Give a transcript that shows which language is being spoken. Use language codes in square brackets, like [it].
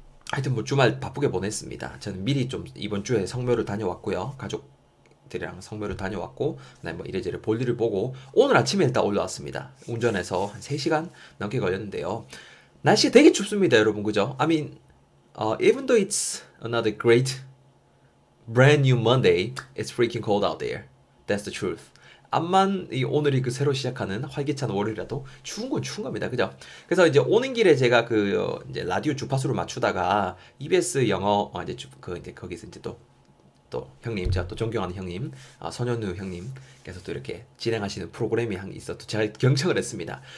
[ko] 하여튼 뭐 주말 바쁘게 보냈습니다. 저는 미리 좀 이번 주에 성묘를 다녀왔고요. 가족들이랑 성묘를 다녀왔고, 네, 뭐 이래저래 볼일을 보고 오늘 아침에 일단 올라왔습니다. 운전해서 한 3시간 넘게 걸렸는데요. 날씨 되게 춥습니다, 여러분. 그죠? [en] I mean, even though it's another great brand new Monday, it's freaking cold out there. That's the truth. [ko] 암만 이 오늘이 그 새로 시작하는 활기찬 월요일이라도 추운 건 추운 겁니다. 그죠? 그래서 이제 오는 길에 제가 이제 라디오 주파수를 맞추다가 EBS 영어 이제 이제 거기서 이제 또 형님, 제가 또 존경하는 형님, 선현우 형님께서 또 이렇게 진행하시는 프로그램이 한게 있어 또 제가 경청을 했습니다.